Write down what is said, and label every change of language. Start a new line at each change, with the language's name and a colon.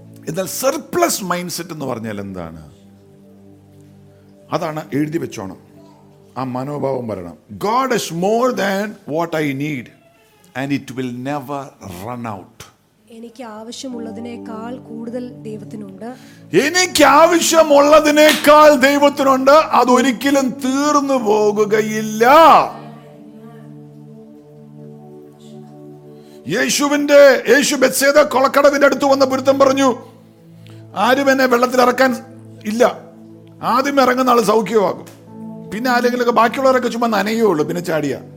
Malayalam: എന്നാൽ surplus mind set എന്ന് പറഞ്ഞാൽ എന്താണ്? അതാണ് എഴുതി വെച്ചോണം. ആ മനോഭാവം വരണം.
English: God is more than what I need and it will never run out.
Malayalam: എനിക്ക് ആവശ്യമുള്ളതിനേക്കാൾ കൂടുതൽ ദൈവത്തിനുണ്ട്. എനിക്ക് ആവശ്യമുള്ളതിനേക്കാൾ ദൈവത്തിനുണ്ട്. അത് ഒരിക്കലും തീർന്നു പോകുകയില്ല. യേശുവിന്റെ യേശു ബത്സേദ കൊളക്കടവിന്റെ അടുത്ത് വന്ന പുരുത്തം പറഞ്ഞു, ആരും എന്നെ വെള്ളത്തിൽ ഇറക്കാൻ ഇല്ല, ആദ്യം ഇറങ്ങുന്ന ആള് സൗഖ്യമാകും, പിന്നെ ആരെങ്കിലുമൊക്കെ ബാക്കിയുള്ളവരൊക്കെ ചുമ്മാ നനയുള്ളൂ, പിന്നെ ചാടിയ.